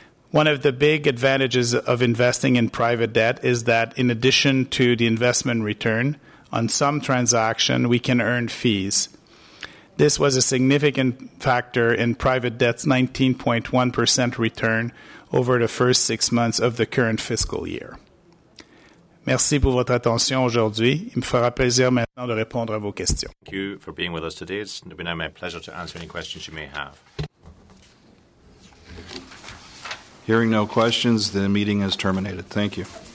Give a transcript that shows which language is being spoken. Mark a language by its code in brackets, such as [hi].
[en] One of the big advantages of investing in private debt is that in addition to the investment return, on some transaction we can earn fees. This was a significant factor in private debt's 19.1% return over the first 6 months of the current fiscal year. [fr] Merci pour votre attention aujourd'hui. Il me fera plaisir maintenant de répondre à vos questions. [en] Thank you for being with us today. It's been my pleasure to answer any questions you may have. Hearing no questions, the meeting is terminated. Thank you.